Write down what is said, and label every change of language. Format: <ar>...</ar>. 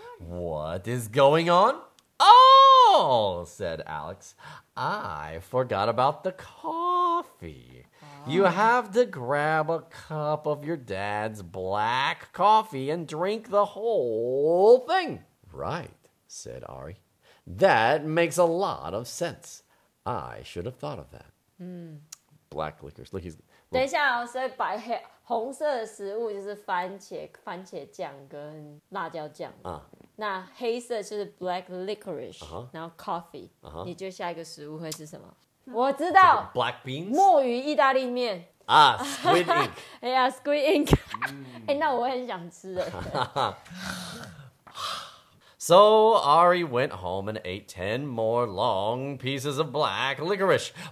<en>What is going on? Oh, said Alex, I forgot about the coffee. You have to grab a cup of your dad's black coffee and drink the whole thing. Right, said Ari. That makes a lot of sense. I should have thought of that. Black licorice. Look, he's...</en> <zh>等一下哦，所以白黑红色的食物就是番茄酱跟辣椒酱啊。那黑色就是 black licorice，、 uh-huh. 然后 coffee、 uh-huh.。你觉得下一个食物会是什么？ Uh-huh. 我知道</zh> <en>black beans，</en> <zh>墨鱼意大利面</zh> <en>啊 squid ink。</en> <zh>哎呀 squid ink， 哎，那我很想吃的。</zh> <en>So Ari went home and ate 10 more long pieces of black licorice.</en>